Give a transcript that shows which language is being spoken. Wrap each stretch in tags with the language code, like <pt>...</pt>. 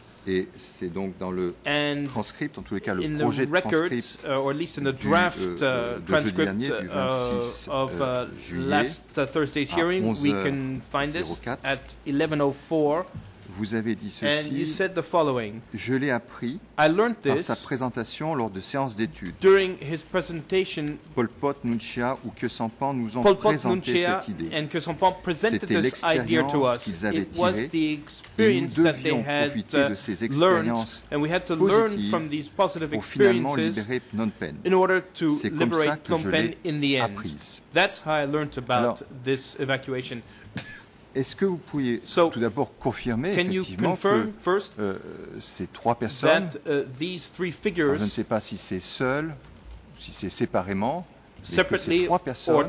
<fr>Et c'est donc dans le transcript, en tous les cas le projet de</fr> <en>transcript, or at least in the draft transcript</en> <fr>de jeudi dernier, du 26</fr> <en>of last Thursday's hearing, we can find this at 11:04.</en> <fr>Vous avez dit ceci.</fr> <en>And you said the following.</en> <fr>Je l'ai appris par sa présentation lors de séances d'études.</fr> <en>During his presentation,</en> <fr>Pol Pot, Nguyen Chia ou Khieu Samphan nous ont présenté cette idée.</fr> <en>And Khieu Samphan presented this idea to us.</en> <fr>Qu'ils avaient tirée. Et nous devions profiter de ces expériences positives pour finalement libérer Phnom Penh.</fr> <en>In order to liberate Phnom Penh in the end.</en> <fr>Apprise.</fr> <en>That's how I learned about this evacuation.</en> <fr>Est-ce que vous pouvez tout d'abord confirmer effectivement que ces trois personnes, je ne sais pas si c'est seul, si c'est séparément, mais que ces trois personnes</fr>